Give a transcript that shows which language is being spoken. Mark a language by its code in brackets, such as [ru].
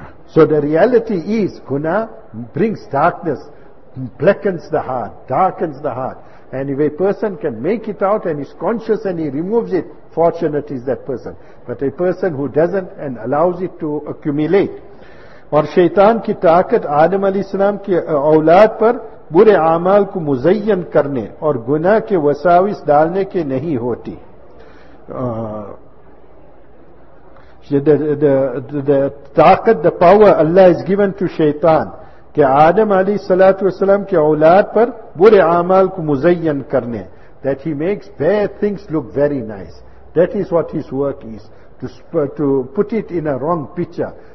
[en] So the reality is, guna brings darkness, blackens the heart, darkens the heart. And if a person can make it out and is conscious and he removes it, fortunate is that person. But a person who doesn't and allows it to accumulate. [ur] اور شیطان کی طاقت آدم علیہ السلام کی اولاد پر برے اعمال کو مزین کرنے اور گناہ کے وساوس ڈالنے کے نہیں ہوتی. [en] The power Allah has given to شیطان [ur] کہ آدم علیہ الصلوۃ والسلام کے اولاد پر برے اعمال کو مزین کرنے, [en] that he makes bad things look very nice. That is what his work is, to put it in a wrong picture.